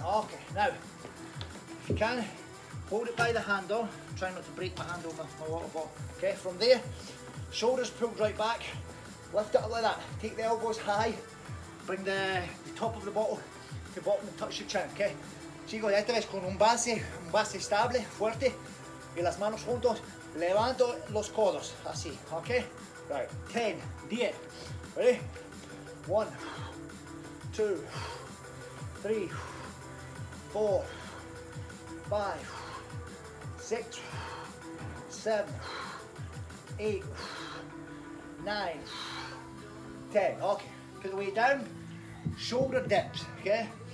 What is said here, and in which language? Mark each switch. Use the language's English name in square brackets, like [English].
[English] Okay, now, if you can, hold it by the handle. Try not to break my hand over my water bottle. Okay, from there, shoulders pulled right back. Lift it up like that. Take the elbows high. Bring the top of the bottle to the bottom and touch your chin, okay? [Spanish] Sigo de tres con un base estable, fuerte, y las manos juntos, levanto los codos, así, okay? [English] Right, 10, 10, ready? 1, 2, 3, 4, 5, 6, 7, 8, 9, 10, okay, put the weight down, shoulder dips, okay?